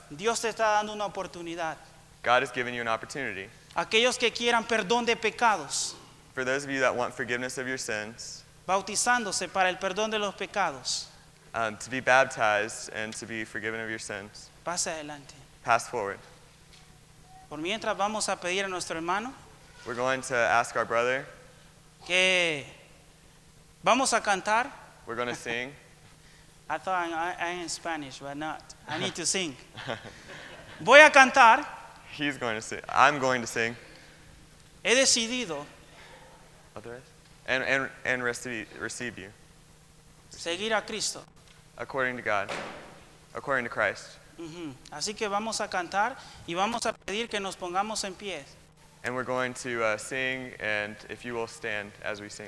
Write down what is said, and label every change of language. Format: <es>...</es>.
<es>Dios te está dando una oportunidad.</es> <en>God has given you an opportunity.</en> <es>Aquellos que quieran perdón de pecados.</es> <en>For those of you that want forgiveness of your sins.</en> <es>Bautizándose para el perdón de los pecados.</es> <en>To be baptized and to be forgiven of your sins.</en> <es>Pase adelante.</es> <en>Pass forward.</en> <es>Por mientras vamos a pedir a nuestro hermano.</es> <en>We're going to ask our brother.</en> <es>Que vamos a cantar.</es> <en>We're going to sing. I thought I'm in Spanish, but not. I need to sing.</en> <es>Voy a cantar.</es> <en>He's going to sing. I'm going to sing.</en> <es>He decidido.</es> <en>And receive you.</en> <es>Seguir a Cristo.</es> <en>According to God. According to Christ. Mm-hmm.</en> <es>Así que vamos a cantar y vamos a pedir que nos pongamos en pie.</es> <en>And we're going to sing, and if you will stand as we sing.</en>